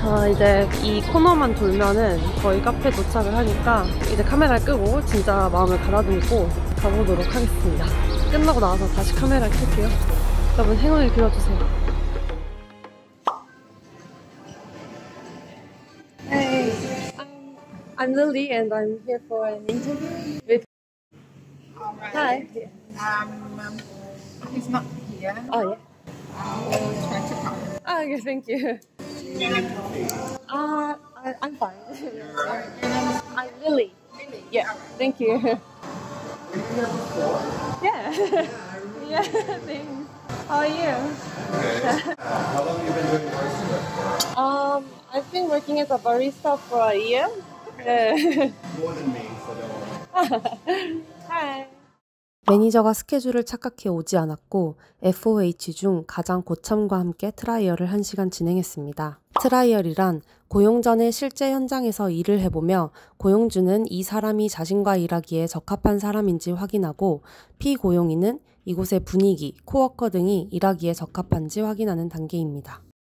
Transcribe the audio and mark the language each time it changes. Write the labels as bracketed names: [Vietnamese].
[Korean] 이제 이 코너만 돌면은 거의 카페 도착을 하니까 이제 카메라를 끄고 진짜 마음을 가다듬고 가보도록 하겠습니다. 끝나고 나와서 다시 카메라 켤게요. 여러분 행운을 빌어주세요. [English] 에이, I'm Lily and I'm here for an interview with. Alright. Hi. He's not here. Oh yeah. I'll try to call. Okay, thank you. I'm fine. I'm Lily. Lily. Yeah. Thank you. Yeah, thanks. How are you? Okay. How long have you been doing barista? I've been working as a barista for a year. More than me, so don't worry. Hi. [Korean] 매니저가 스케줄을 착각해 오지 않았고 FOH 중 가장 고참과 함께 트라이얼을 1시간 진행했습니다. 트라이얼이란 고용전에 실제 현장에서 일을 해보며 고용주는 이 사람이 자신과 일하기에 적합한 사람인지 확인하고 피고용인은 이곳의 분위기, 코워커 등이 일하기에 적합한지 확인하는 단계입니다.